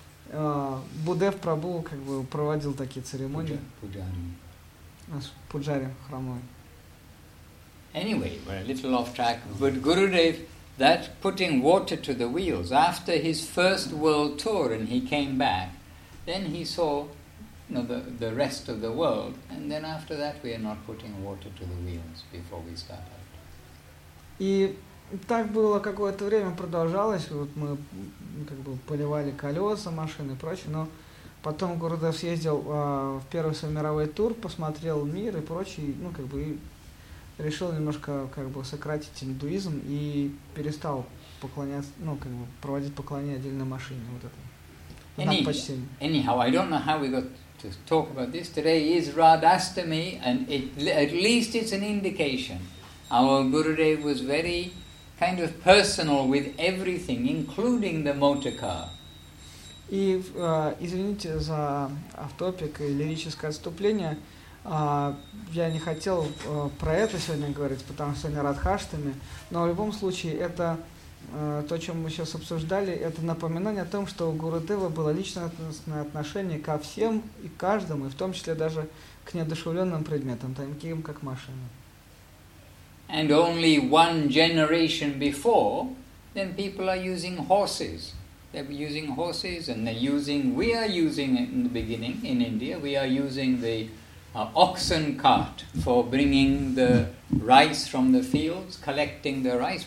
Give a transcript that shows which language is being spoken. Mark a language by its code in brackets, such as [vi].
[ru] Будда в Прабу как бы проводил такие церемонии. Пуджари. Пуджари храмовый. [en] Anyway, we're a little off track, but Gurudev, that's putting water to the wheels. After his first world tour and he came back, then he saw, you know, the rest of the world, and then after that we are not putting water to the wheels before we start out. И так было какое-то время, продолжалось, вот мы как бы поливали колеса, машины и прочее, но потом Гурудев съездил в первый свой мировой тур, посмотрел мир и прочее, ну как бы решил немножко как бы сократить индуизм и перестал поклоняться, ну как бы проводить поклонение отдельной машине вот этой. Anyhow, I don't know how we got to talk about this. Today is Radhastami, and it, at least it's an indication. Our Gurudev was very kind of personal with everything, including the motor car. [ru] И извините за автопик и лирическое отступление. Я не хотел про это сегодня говорить, потому что сегодня Радхаштами, но в любом случае это то, о чем мы сейчас обсуждали, это напоминание о том, что у Гурудева было личностное отношение ко всем и каждому, и в том числе даже к неодушевленным предметам, таким как машины. [en] And only one generation before, then people are using horses. They're using horses, and they're using, we are using it in the beginning in India, we are using the oxen cart for bringing the rice from the fields, collecting the rice.